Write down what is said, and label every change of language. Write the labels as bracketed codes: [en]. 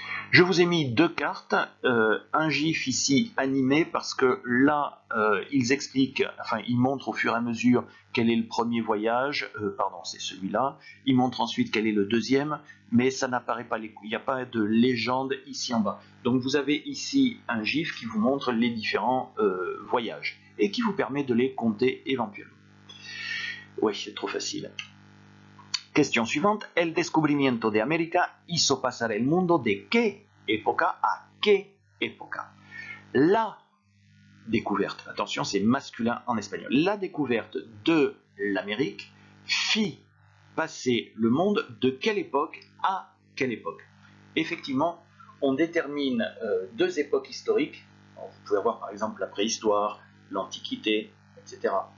[fr] Je vous ai mis deux cartes, un gif ici animé parce que là, ils expliquent, enfin, ils montrent au fur et à mesure quel est le premier voyage, c'est celui-là, ils montrent ensuite quel est le deuxième, mais ça n'apparaît pas, il n'y a pas de légende ici en bas. Donc vous avez ici un gif qui vous montre les différents voyages et qui vous permet de les compter éventuellement. Oui, c'est trop facile. Question suivante, [es] el descubrimiento de América hizo pasar el mundo de qué época a qué época? [fr] La découverte, attention c'est masculin en espagnol, la découverte de l'Amérique fit passer le monde de quelle époque à quelle époque? Effectivement, on détermine deux époques historiques, alors, vous pouvez avoir par exemple la préhistoire, l'antiquité, etc.